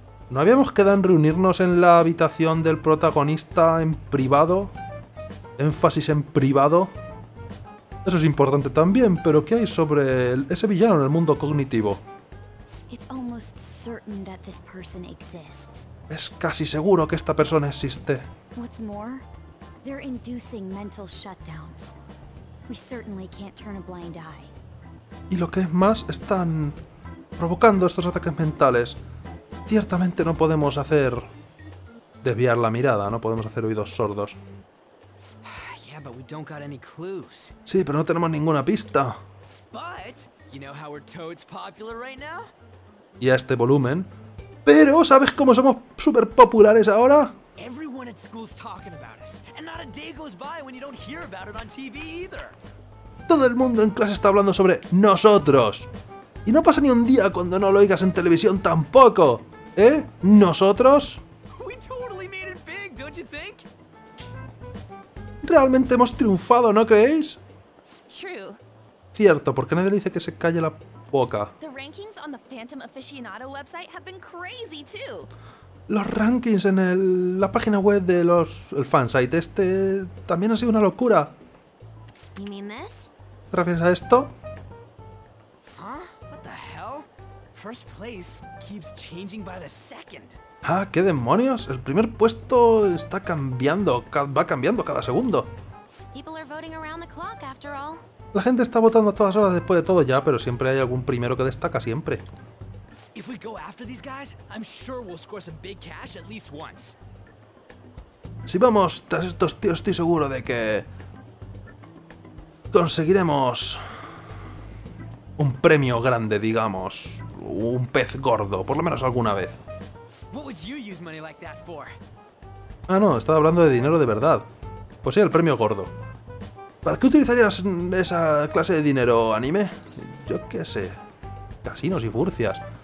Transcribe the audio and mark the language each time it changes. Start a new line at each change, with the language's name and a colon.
Spanish: ¿No habíamos quedado en reunirnos en la habitación del protagonista en privado? ¿Énfasis en privado? Eso es importante también, pero ¿qué hay sobre ese villano en el mundo cognitivo?
English: It's almost certain that this person exists.
Spanish: Es casi seguro que esta persona existe.
English: What's more, they're inducing mental shutdowns. We certainly can't turn a blind eye.
Spanish: Y lo que es más, están provocando estos ataques mentales. Ciertamente no podemos hacer desviar la mirada, no podemos hacer oídos sordos.
English: Yeah, but we don't got any clues.
Spanish: Sí, pero no tenemos ninguna pista.
English: But, you know how we're Toads popular right now?
Spanish: Y a este volumen. ¡Pero! ¿Sabes cómo somos súper populares ahora?
English: Everyone at school's talking about us, and not a day goes by when you don't hear about it on TV either.
Spanish: Todo el mundo en clase está hablando sobre nosotros. Y no pasa ni un día cuando no lo oigas en televisión tampoco. ¿Eh? ¿Nosotros?
English: We totally made it big, don't you think?
Spanish: Realmente hemos triunfado, ¿no creéis?
English: True.
Spanish: Cierto, porque nadie le dice que se calle la boca.
English: The rankings on the Phantom Aficionado website have been crazy too.
Spanish: Los rankings en la página web de el fansite este también ha sido una locura.
English: You mean this?
Spanish: ¿Te refieres a esto?
English: Huh? What the hell? First place keeps changing by the second.
Spanish: Ah, ¿qué demonios? El primer puesto está cambiando, va cambiando cada segundo.
English: People are voting around the clock, after all.
Spanish: La gente está votando a todas horas después de todo ya, pero siempre hay algún primero que destaca, siempre.
English: If we go after these guys, I'm sure we'll score some big cash at least once.
Spanish: Si vamos tras estos tíos, estoy seguro de que conseguiremos un premio grande, digamos, un pez gordo, por lo menos alguna vez.
English: What would you use money like that for?
Spanish: Ah, no, estaba hablando de dinero de verdad. Pues sí, el premio gordo. ¿Para qué utilizarías esa clase de dinero, anime? Yo qué sé. Casinos y furcias.